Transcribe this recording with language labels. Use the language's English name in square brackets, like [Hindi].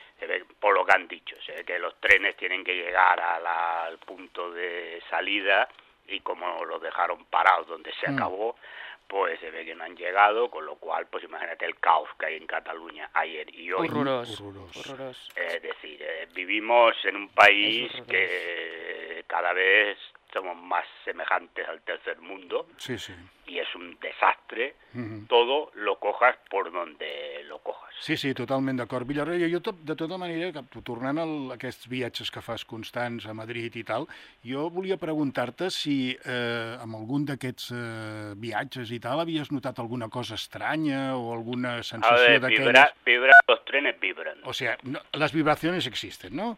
[Spanish] Se ve, por lo que han dicho, se ve que los trenes tienen que llegar al punto de salida y como los dejaron parados donde se acabó, pues se ve que no han llegado, con lo cual, pues imagínate el caos que hay en Cataluña ayer y hoy. Horroros. Es decir, vivimos en un país que cada vez somos más semejantes al tercer mundo. Sí, sí. Y es un desastre, todo lo cojas por donde lo cojas. [Catalan] Sí, sí, totalment d'acord. Villarroya, jo de tota manera, tornant a aquests viatges que fas constants a Madrid i tal, jo volia preguntar-te si amb algun d'aquests viatges i tal havies notat alguna cosa estranya o alguna sensació d'aquelles... [Spanish] A ver, vibran los trenes, vibran. O sea, no, las vibraciones existen, ¿no?